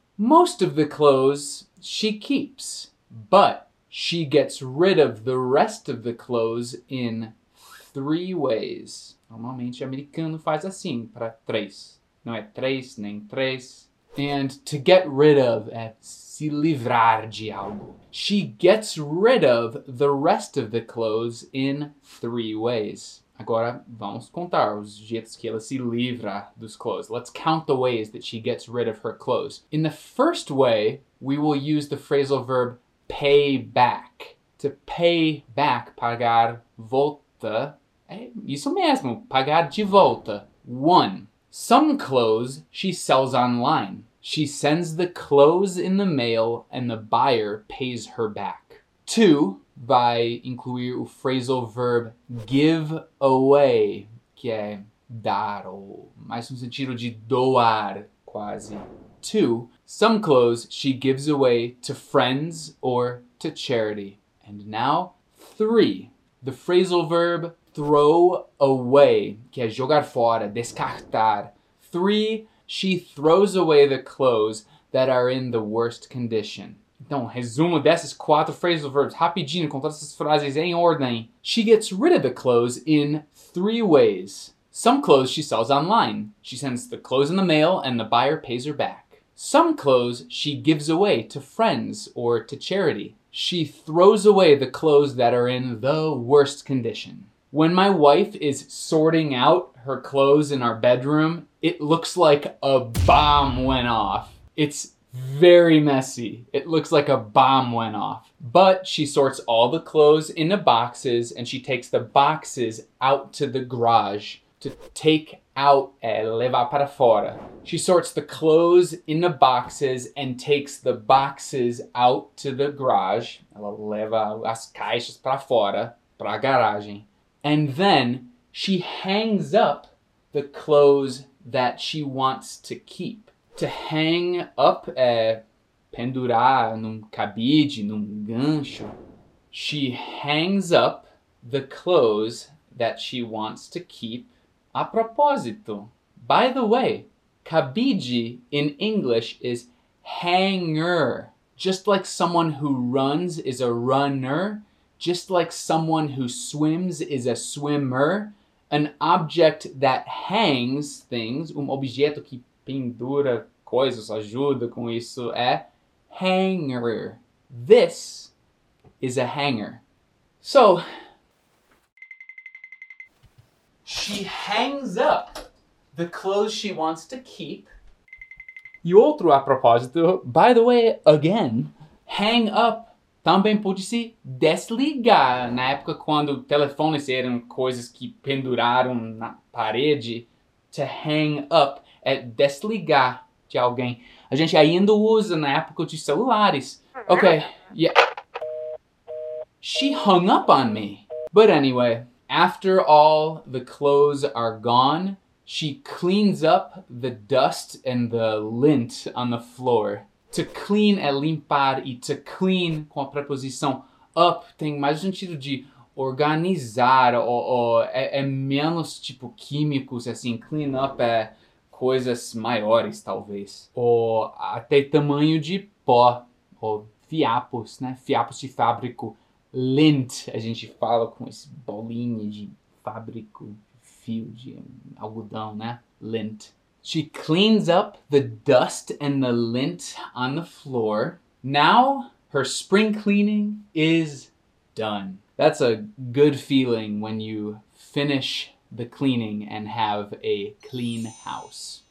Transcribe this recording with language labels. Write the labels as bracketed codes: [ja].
[en] Most of the clothes she keeps, but she gets rid of the rest of the clothes in three ways. [pt] Normalmente, americano faz assim, para três. Não é três, nem três. [en] And to get rid of, [pt] é se livrar de algo. [en] She gets rid of the rest of the clothes in three ways. [pt] Agora, vamos contar os jeitos que ela se livra dos clothes. [en] Let's count the ways that she gets rid of her clothes. In the first way, we will use the phrasal verb pay back. To pay back, [pt] pagar volta. É isso mesmo, pagar de volta. One. [en] Some clothes she sells online. She sends the clothes in the mail and the buyer pays her back. [pt] Two, by incluir o phrasal verb give away, que é dar, ou mais no sentido de doar, quase. [en] Two, some clothes she gives away to friends or to charity. And now, three, the phrasal verb throw away, [pt] que é jogar fora, descartar. [en] Three, she throws away the clothes that are in the worst condition. [pt] Então, resumo dessas quatro phrasal verbs, rapidinho, com todas essas frases em ordem. [en] She gets rid of the clothes in three ways. Some clothes she sells online. She sends the clothes in the mail and the buyer pays her back. Some clothes she gives away to friends or to charity. She throws away the clothes that are in the worst condition. When my wife is sorting out her clothes in our bedroom, it looks like a bomb went off. It's very messy. It looks like a bomb went off. But she sorts all the clothes into boxes and she takes the boxes out to the garage. To take out [pt] é levar para fora. [en] She sorts the clothes into boxes and takes the boxes out to the garage. [pt] Ela leva as caixas para fora, para a garagem. [en] And then she hangs up the clothes that she wants to keep. To hang up [pt] é pendurar num cabide, num gancho. [en] She hangs up the clothes that she wants to keep. [pt] A propósito, [en] by the way, cabide in English is hanger. Just like someone who runs is a runner. Just like someone who swims is a swimmer, an object that hangs things, [pt] objeto que pendura coisas, ajuda com isso, [en] é hanger. This is a hanger. So, she hangs up the clothes she wants to keep. [pt] E outro a propósito, [en] by the way, again, hang up. [pt] Também pôde-se desligar na época quando telefones eram coisas que penduraram na parede. [en] To hang up [pt] é desligar de alguém. A gente ainda usa na época de celulares. [en] Okay, yeah. She hung up on me. But anyway, after all the clothes are gone, she cleans up the dust and the lint on the floor. [pt] To clean é limpar e to clean com a preposição up tem mais sentido de organizar ou é menos tipo químicos, assim, clean up é coisas maiores talvez. Ou até tamanho de pó, ou fiapos, né, fiapos de fábrico, lint, a gente fala com esse bolinho de fábrico, fio de algodão, né? [en] Lint. She cleans up the dust and the lint on the floor. Now, her spring cleaning is done. That's a good feeling when you finish the cleaning and have a clean house.